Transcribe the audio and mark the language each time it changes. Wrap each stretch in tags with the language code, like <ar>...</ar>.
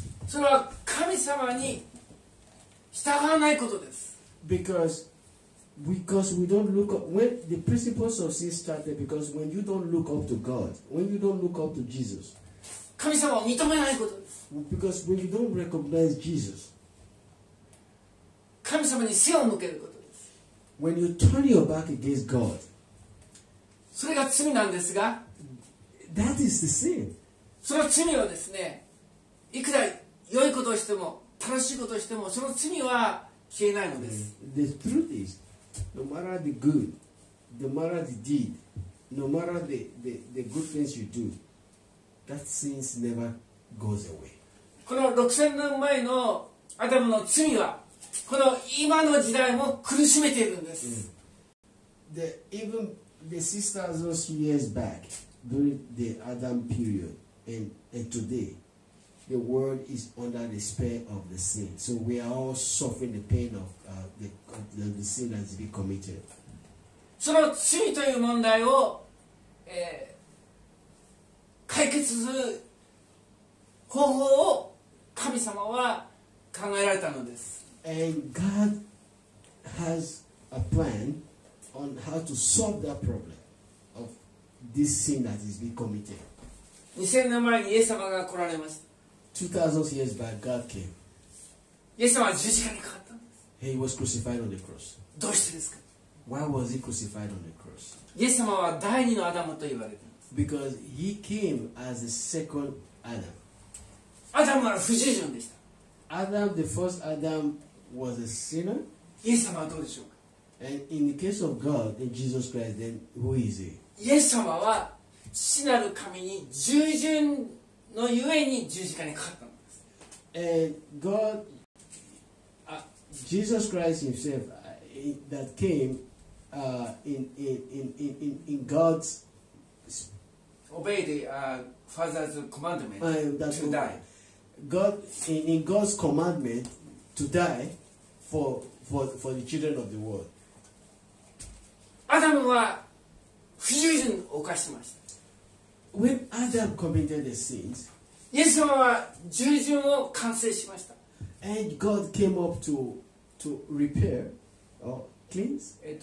<ja>それは神様に従わないことです。</ja> <en>Because the principles of sin started because when you don't look up to God, when you don't look up to Jesus,</en> <ja>神様を認めないことです。</ja> <en>Because when you don't recognize Jesus,</en> <ja>神様に背を向けることです。</ja> <en>When you turn your back against God,</en> <ja>それが罪なんですが、</ja> <en>that is the sin.</en> <ja>その罪をですね、いくら良いことをしても、楽しいことをしても、その罪は消えないのです。</ja> <en>The truth is, no matter the good, no matter the deed, no matter the good things you do, that sins never goes away.</en> <ja>この6000年前のアダムの罪は、この今の時代も苦しめているんです。</ja> <en>The, even the sisters those years back, during the Adam period and today,The world is under the spell of the sin. So we are all suffering the pain of the sin that has been committed.</en> <ja>その罪という問題を、解決する方法を神様は考えられたのです。</ja> <en>And God has a plan on how to solve that problem of this sin that has been committed.</en> <ja>2000年前にイエス様が来られました。</ja> <en>2000 years back, God came.</en> <ja>イエス様は十字架にかかったんです。</ja> <en>He was crucified on the cross.</en> <ja>どうしてですか?</ja> <en>Why was he crucified on the cross?</en> <ja>イエス様は第二のアダムと言われています。</ja> <en>Because he came as the second Adam.</en> <ja>アダムは不従順でした。</ja> <en>Adam, the first Adam, was a sinner.</en> <ja>イエス様はどうでしょうか?</ja> <en>And in the case of God, in Jesus Christ, then who is he?</en> <ja>イエス様は死なる神に従順のゆえに十字架にかかったのです。</ja> <en>God, Jesus Christ himself, that came in God's obey the Father's commandment to die. God in God's commandment to die for the children of the world.</en> <ja>Adam は不従順を犯しました。</ja> <en>When Adam committed the sins,</en> <ja>イエス様は従順を完成しました。</ja> <en>And God came up to repair or cleanse?</en>